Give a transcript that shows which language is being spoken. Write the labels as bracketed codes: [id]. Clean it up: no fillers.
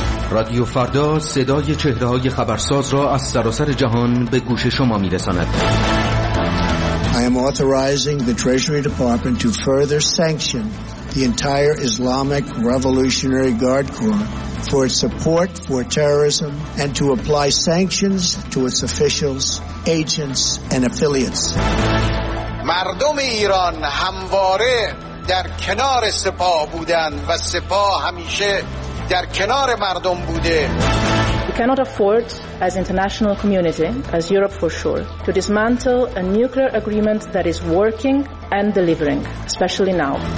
[fa] رادیو فردا صدای چهره‌های خبرساز را از سراسر جهان به گوش شما می‌رساند. [en] I am authorizing the Treasury Department to further sanction the entire Islamic Revolutionary Guard Corps for its support for terrorism and to apply sanctions to its officials, agents and affiliates. [fa] مردم ایران همواره در کنار سپاه بودند و سپاه همیشه در کنار مردم بوده. [en] We cannot afford as international community, as Europe for sure, to dismantle a nuclear agreement that is working and delivering, especially now.